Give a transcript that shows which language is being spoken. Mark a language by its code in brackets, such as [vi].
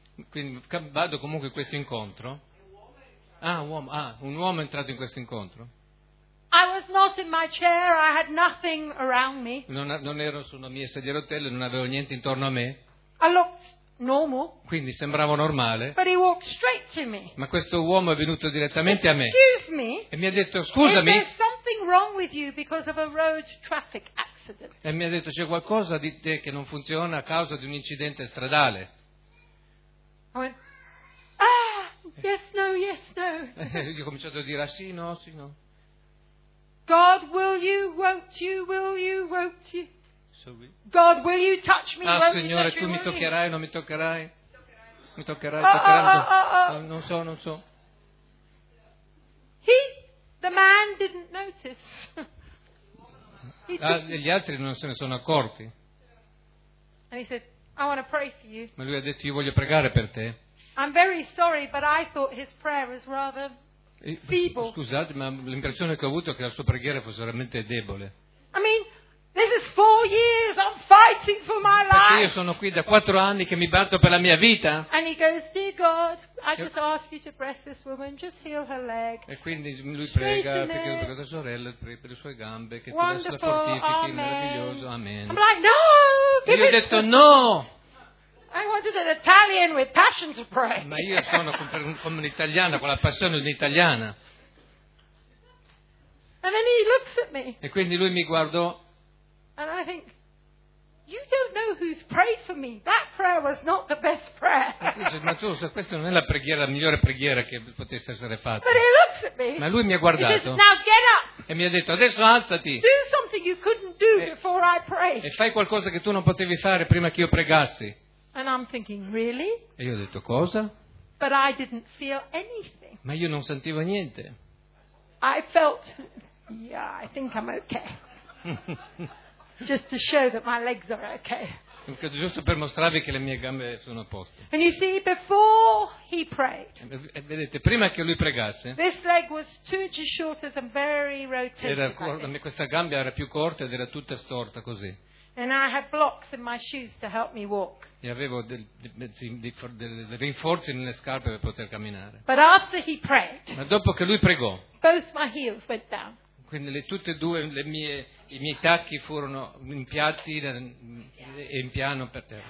[it] Quindi vado comunque in questo incontro. Un uomo è entrato in questo incontro. [en] I was not in my chair, I had nothing around me. [it] Non ero su una mia sedia a rotelle, non avevo niente intorno a me. [en] I looked normal. [it] Quindi sembrava normale. [en] But he walked straight to me. [it] Ma questo uomo è venuto direttamente a me. [en] Excuse me. [it] E mi ha detto scusami. [en] Is there something wrong with you because of a road traffic accident? [it] E mi ha detto c'è qualcosa di te che non funziona a causa di un incidente stradale. [en] I went, ah, yes, no, yes, no. [it] Gli ho cominciato a dire ah, sì, no, sì, no. [en] God, will you, won't you, will you, won't you? God, will you touch me? [it] Ah, Signore, tu mi toccherai, non mi toccherai? Mi toccherai, toccherai? Non so, non so. [en] He, the man didn't notice. [it] Gli altri non se ne sono accorti. [en] And he said, I want to pray for you. [it] Ma lui ha detto, io voglio pregare per te. [en] I'm very sorry, but I thought his prayer was rather feeble. [it] Scusate, ma l'impressione che ho avuto è che la sua preghiera fosse veramente debole. [en] I mean, this is 4 years I'm fighting for my life. [it] Perché io sono qui da 4 anni che mi batto per la mia vita. [en] And he goes, dear God, I just ask you to bless this woman, just heal her leg. [it] E quindi lui prega per questa sorella, per le sue gambe, che [en] wonderful, [it] tu adesso la fortifichi, [en] amen. [it] Meraviglioso, amen. [en] I'm like, no! [it] Io ho detto no! [en] I wanted an Italian with passion to pray. [it] Ma io sono come un'italiana, con la passione di un'italiana. [en] And then he looks at me. [it] E quindi lui mi guardò. [en] And I think, you don't know who's prayed for me. That prayer was not the best prayer. [it] Ma tu, questa non è la preghiera, la migliore preghiera che potesse essere fatta. [en] But he looks at me. [it] Ma lui mi ha guardato. [en] He says, now get up. [it] E mi ha detto, adesso alzati. [en] Do something you couldn't do before I prayed. [it] E fai qualcosa che tu non potevi fare prima che io pregassi. [en] And I'm thinking, really? [it] E io ho detto, cosa? [en] But I didn't feel anything. [it] Ma io non sentivo niente. [en] I felt, yeah, I think I'm okay. Just to show that my legs are okay. [it] Giusto per mostrarvi che le mie gambe sono a posto. [en] And you see, before he prayed, [it] e vedete, prima che lui pregasse, [en] this leg was 2 inches shorter and very rotated. [it] Era questa gamba era più corta ed era tutta storta così. [en] And I had blocks in my shoes to help me walk. [it] E avevo dei rinforzi nelle scarpe per poter camminare. [en] But after he prayed, [it] ma dopo che lui pregò, [en] both my heels went down. [it] Quindi tutte e due i miei tacchi furono impiatti e in piano per terra.